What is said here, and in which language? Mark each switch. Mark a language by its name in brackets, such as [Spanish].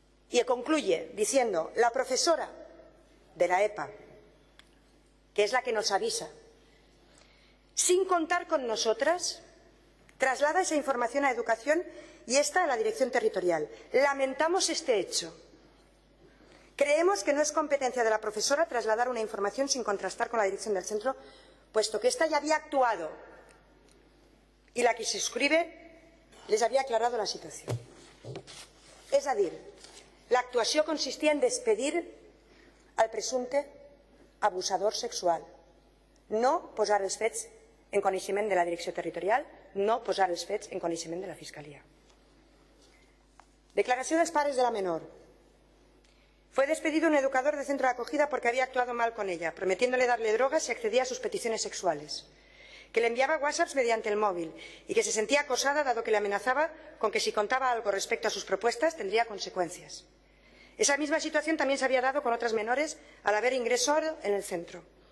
[Spanish] Y concluye diciendo, la profesora de la EPA, que es la que nos avisa, sin contar con nosotras, traslada esa información a Educación y esta a la dirección territorial. Lamentamos este hecho. Creemos que no es competencia de la profesora trasladar una información sin contrastar con la dirección del centro, puesto que esta ya había actuado y la que se suscribe les había aclarado la situación. Es decir, la actuación consistía en despedir al presunte abusador sexual, [Catalan] no posar els fets en coneixement de la direcció territorial, no posar els fets en coneixement de la fiscalia. Declaració dels pares de la menor. [Spanish] Fue despedido un educador de centro de acogida porque había actuado mal con ella, prometiéndole darle drogas si accedía a sus peticiones sexuales, que le enviaba WhatsApps mediante el móvil y que se sentía acosada dado que le amenazaba con que si contaba algo respecto a sus propuestas tendría consecuencias. Esa misma situación también se había dado con otras menores al haber ingresado en el centro.